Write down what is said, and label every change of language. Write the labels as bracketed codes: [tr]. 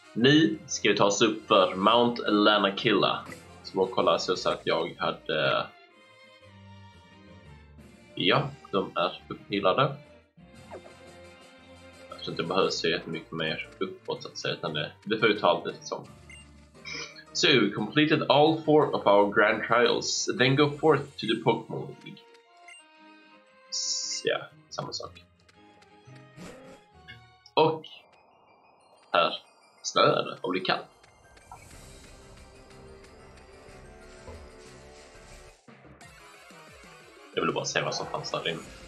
[sv] Ni ska ta oss upp för Mount Lanakilla. Som att kolla så att jag hade... Ja, de är upphillade. Jag tror inte jag behöver se jättemycket mer uppåt så att säga, utan det får ju ta allt lite som. [en] So, we completed all four of our grand trials, then go forth to the Pokémon League. [sv] Ja, samma sak. Och här snöar det, om det kan. Jag ville bara se vad som fanns där inne.